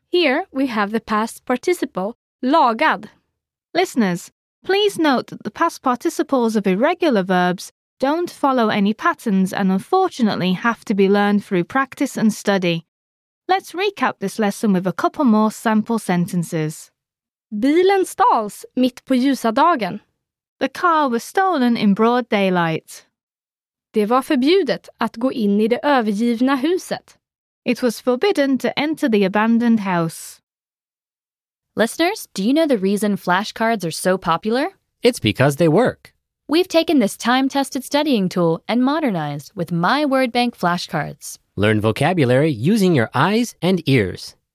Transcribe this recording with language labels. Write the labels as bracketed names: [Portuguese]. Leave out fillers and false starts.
[English] Here we have the past participle, lagad. Listeners, please note that the past participles of irregular verbs don't follow any patterns and unfortunately have to be learned through practice and study. Let's recap this lesson with a couple more sample sentences. [Swedish] Bilen stals mitt på ljusa dagen. [English] The car was stolen in broad daylight. [Swedish] Det var förbjudet att gå in i det övergivna huset. [English] It was forbidden to enter the abandoned house. Listeners, do you know the reason flashcards are so popular? It's because they work. We've taken this time-tested studying tool and modernized with My Word Bank flashcards. Learn vocabulary using your eyes and ears.